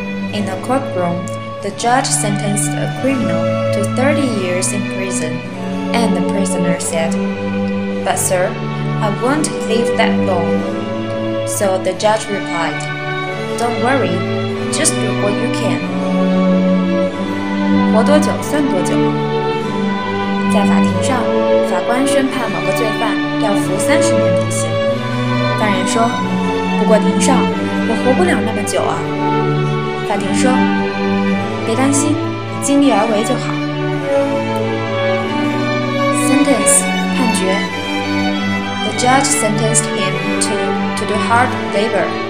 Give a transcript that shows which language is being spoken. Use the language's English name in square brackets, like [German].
[English] In a courtroom, the judge sentenced a criminal to 30 years in prison, and the prisoner said, "But sir, I won't live that long." So the judge replied,Don't worry, just do what you can. [Chinese] 活多久算多久。在法庭上，法官宣判某个罪犯要服30年徒刑。犯人说：“不过庭上，我活不了那么久啊。” 法庭说：“别担心，尽力而为就好。” Sentence 判决。 [English] The judge sentenced him to do hard labor.